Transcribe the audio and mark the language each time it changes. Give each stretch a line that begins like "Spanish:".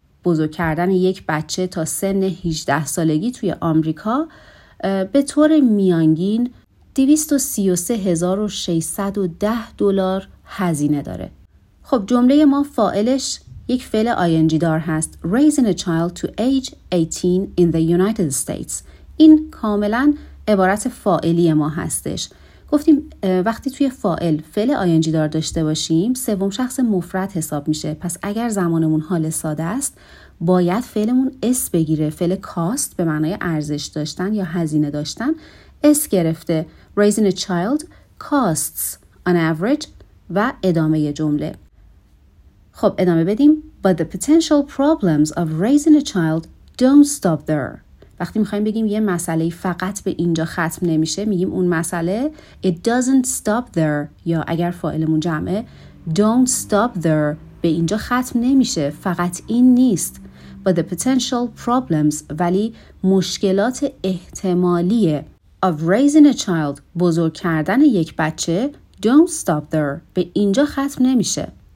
Persian: بزرگ کردن یک بچه تا سن 18 سالگی توی آمریکا به طور میانگین $233,610 هزینه داره. خب جمله ما فاعلش یک فعل ing دار هست.
English: Raising a child to age 18 in the United States.
Persian: این کاملا عبارت فاعلی ما هستش. گفتیم وقتی توی فاعل فعل ing دار داشته باشیم سوم شخص مفرد حساب میشه. پس اگر زمانمون حال ساده است باید فعلمون اس بگیره. فعل cost به معنای ارزش داشتن یا هزینه داشتن اس گرفته.
English: Raising a child costs on average
Persian: و ادامه جمله. خب ادامه بدیم.
English: But the potential problems of raising a child don't stop there.
Persian: وقتی میخواییم بگیم یه مسئله فقط به اینجا ختم نمیشه میگیم اون مسئله
English: it doesn't stop there
Persian: یا اگر فاعلمون جمعه
English: don't stop there
Persian: به اینجا ختم نمیشه فقط این نیست.
English: But the potential problems
Persian: ولی مشکلات احتمالی
English: of raising a child
Persian: بزرگ کردن یک بچه
English: don't stop there
Persian: به اینجا ختم نمیشه.